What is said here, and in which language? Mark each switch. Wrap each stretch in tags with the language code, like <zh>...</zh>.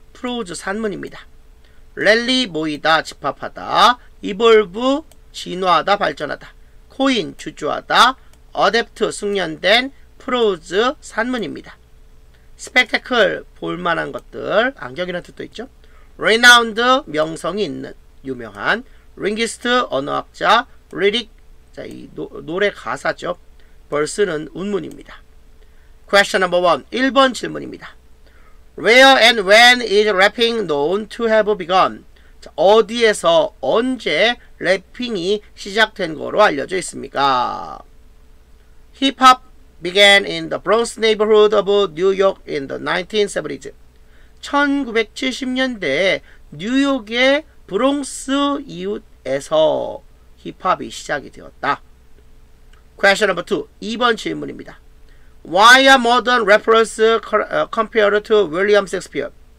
<ko>프로즈 산문입니다. 랠리 모이다, 집합하다, 이볼브 진화하다, 발전하다, 코인 주조하다, 어댑트 숙련된, 프로즈 산문입니다. 스펙테클 볼만한 것들, 안경이라는 뜻도 있죠. 레나운드 명성이 있는, 유명한 링기스트 언어학자, 리릭, 자, 이 노래 가사죠. 벌스는 운문입니다.</ko> <en>Question number one,</en> <ko>1번 질문입니다.</ko> <en>Where and when is rapping known to have begun?</en> <ko>자, 어디에서 언제 래핑이 시작된 거로 알려져 있습니까?</ko> <en>Hip hop began in the Bronx neighborhood of New York in the 1970s.</en> <ko>1970년대 뉴욕의 브롱스 이웃에서 힙합이 시작이 되었다.</ko> <en>Question number 2.</en> <ko>2번 질문입니다.</ko> <en>Why are modern rappers compared to William Shakespeare?</en>